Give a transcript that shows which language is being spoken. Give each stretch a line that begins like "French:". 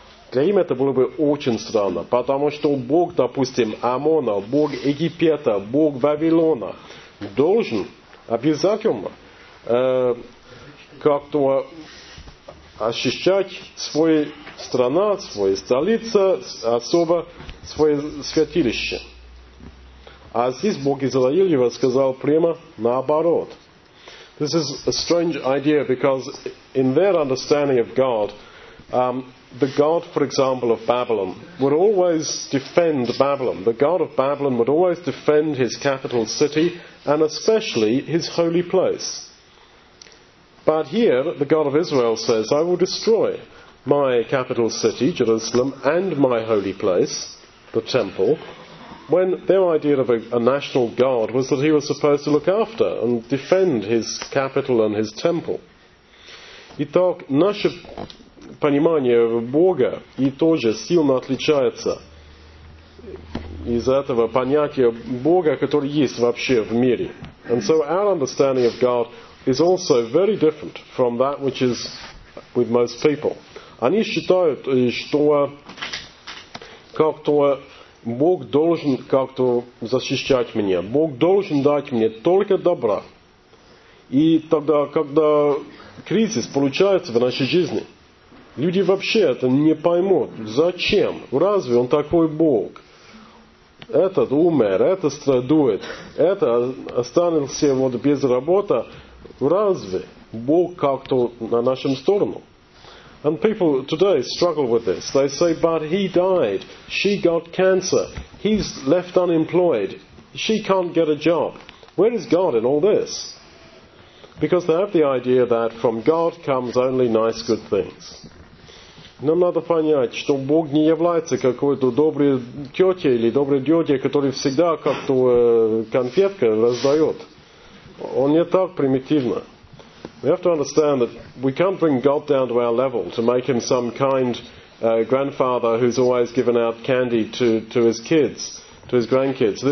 Russian: Для им это было бы очень странно, потому что Бог, допустим, Амона, Бог Египета, Бог Вавилона должен обязательно как-то ощущать свою страну, свою столицу, особо свое святилище. А здесь Бог Израилева сказал прямо наоборот.
English: This is a strange idea because in their understanding of God, the God, for example, of Babylon, would always defend Babylon. The God of Babylon would always defend his capital city and especially his holy place. But here, the God of Israel says, I will destroy my capital city, Jerusalem, and my holy place, the temple, when their idea of a national God was that he was supposed to look after and defend his capital and his temple.
Russian: Итак, наше понимание Бога и тоже сильно отличается из этого понятия Бога, который есть вообще в мире.
English: And so our understanding of God is also very different from that which is with most people.
Russian: Они считают, что как-то Бог должен как-то защищать меня. Бог должен дать мне только добра. И тогда, когда кризис получается в нашей жизни, люди вообще это не поймут. Зачем? Разве он такой Бог? Этот умер, этот страдует, этот останется вот без работы. Разве Бог как-то на нашем сторону?
English: And people today struggle with this. They say, but he died, she got cancer, he's left unemployed, she can't get a job. Where is God in all this? Because they have the idea that from God comes only nice good things.
Russian: Нам надо понять, что Бог не является какой-то добрый тетя или добрый дядя, который всегда как-то конфетка раздает. Он не так примитивно.
English: We have to understand that we can't bring God down to our level to make him some kind grandfather who's always given out candy to his kids, to his grandkids.